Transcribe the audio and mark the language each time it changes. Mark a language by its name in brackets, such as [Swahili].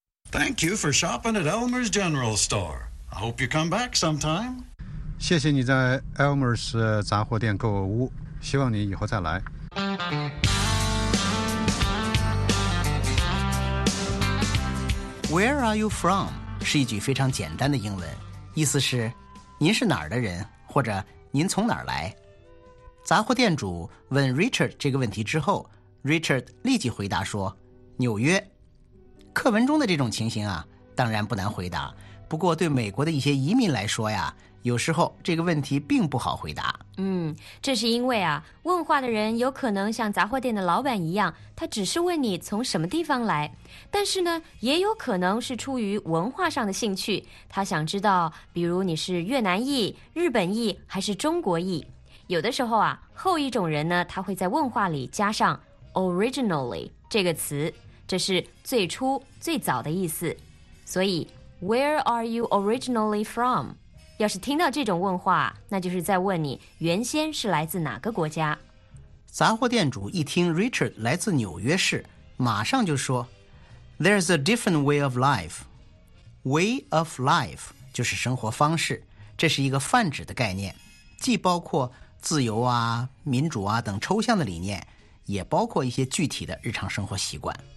[English] Thank you for shopping at Elmer's General Store. I hope you come back sometime. [Chinese] 谢谢你在 Elmer's 杂货店购物，希望你以后再来。 [English] Where are you from? [Chinese] 是一句非常简单的英文，意思是您是哪儿的人，或者您从哪儿来。杂货店主问 Richard 这个问题之后， Richard 立即回答说，纽约。课文中的这种情形啊，当然不难回答，不过对美国的一些移民来说呀，有时候这个问题并不好回答。这是因为啊，问话的人有可能像杂货店的老板一样，他只是问你从什么地方来，但是呢，也有可能是出于文化上的兴趣，他想知道比如你是越南裔、日本裔还是中国裔。有的时候啊，后一种人呢，他会在问话里加上 originally 这个词，这是最初最早的意思。所以 [English] Where are you originally from? [Chinese] 要是听到这种问话，那就是在问你原先是来自哪个国家。杂货店主一听 Richard 来自纽约市，马上就说 [English] There's a different way of life. [Chinese] Way of life 就是生活方式，这是一个泛指的概念，既包括自由啊、民主啊等抽象的理念，也包括一些具体的日常生活习惯。